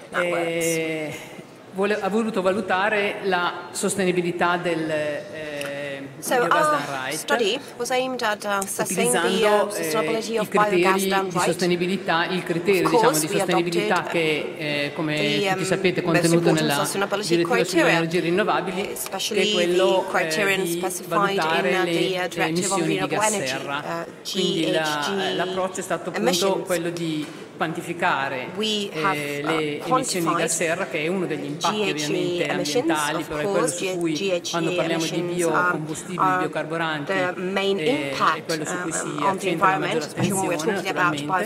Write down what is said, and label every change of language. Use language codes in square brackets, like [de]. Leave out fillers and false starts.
[it] Ha voluto valutare la sostenibilità del biogas downright. [en] Study was aimed at assessing the sustainability of biogas downright. [it] Di sostenibilità, il criterio di sostenibilità che come tutti sapete contenuto nella direttiva sulle energie rinnovabili, che è quello di valutare le emissioni di gas serra. Quindi l'approccio è stato appunto quello di quantificare le emissioni di gas serra, che è uno degli impatti ovviamente ambientali, però è quello su cui quando parliamo di biocombustibili, biocarbolanti, è quello su cui si accentua la maggiore attenzione naturalmente.